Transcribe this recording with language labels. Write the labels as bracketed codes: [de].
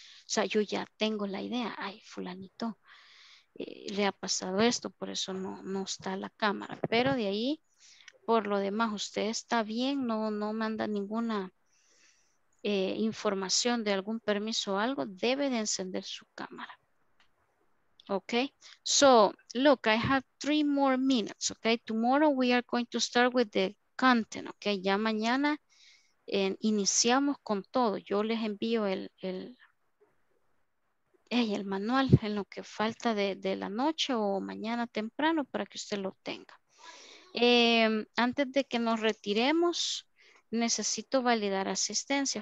[es] O sea, yo ya tengo la idea, ay, fulanito, le ha pasado esto, por eso no está la cámara. Pero de ahí, por lo demás, usted está bien, no manda ninguna información de algún permiso o algo, debe de encender su cámara. [en] Ok, so look, I have 3 more minutes. Ok, tomorrow we are going to start with the content. [es] Ok, ya mañana iniciamos con todo. Yo les envío el manual en lo que falta de la noche o mañana temprano para que usted lo tenga. Antes de que nos retiremos, necesito validar asistencia.